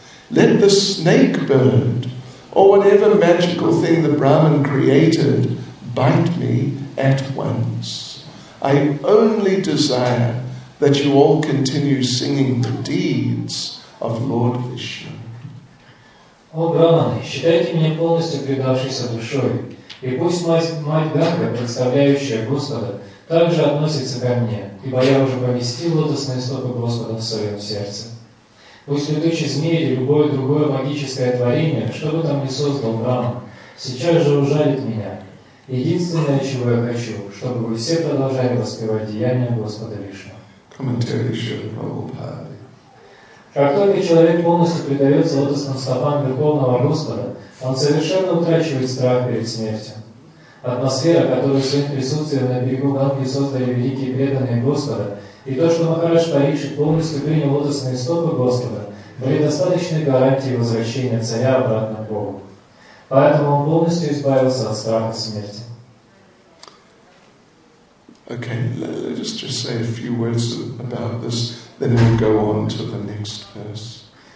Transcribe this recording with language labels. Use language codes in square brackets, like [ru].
[en] Let the snake bird, or whatever magical thing the Brahmin created, bite me at once. I only desire that you all continue singing the deeds of Lord Vishnu. [ru] О, Браманы, считайте меня полностью предавшейся душой, и пусть мать Ганга, представляющая Господа, также относится ко мне, ибо я уже поместил лотосные стопы Господа в своем сердце. Пусть летучий змей или любое другое магическое творение, что бы там ни создал Браман, сейчас же ужалит меня. Единственное, чего я хочу, чтобы вы все продолжали воспевать деяния Господа Вишну. [en] Commentary Srila Prabhupada. [ru] Как только человек полностью предается лотосным стопам Верховного Господа, он совершенно утрачивает страх перед смертью. Атмосфера, которую в своем присутствии на берегу Ганги создали великие преданные Господа, и то, что Махарадж Парикшит полностью принял лотосные стопы Господа, были достаточной гарантией возвращения царя обратно к Богу. Поэтому он полностью избавился от страха смерти. [en] Okay, let us just say a few words about this, then we'll go on to the next verse.